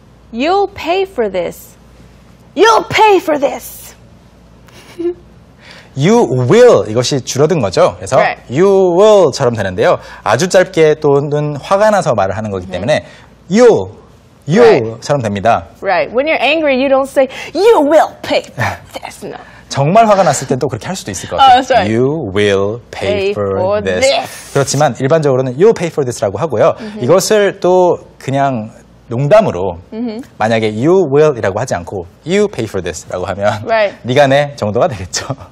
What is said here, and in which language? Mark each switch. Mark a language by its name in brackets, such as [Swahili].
[English] You'll pay for this. You'll pay for this. You will. [Korean] 이것이 줄어든 거죠. 그래서 [English] right. You will [Korean] 처럼 되는데요. 아주 짧게 또는 화가 나서 말을 하는 거기 때문에 You처럼 [English] right. [Korean] 됩니다. [English] Right. When you're angry, you don't say, You will pay for this. No. [Korean] 정말 화가 났을 땐 또 그렇게 할 수도 있을 것 같아요. [English] Oh, that's right. You will pay for this. [Korean] 그렇지만 일반적으로는 [English] You'll pay for this라고 하고요. Mm-hmm. [Korean] 이것을 또 그냥 농담으로 만약에 You will이라고 하지 않고 [English] You pay for this [Korean] 라고 하면 [English] right. [Korean] 네가 내 정도가 되겠죠.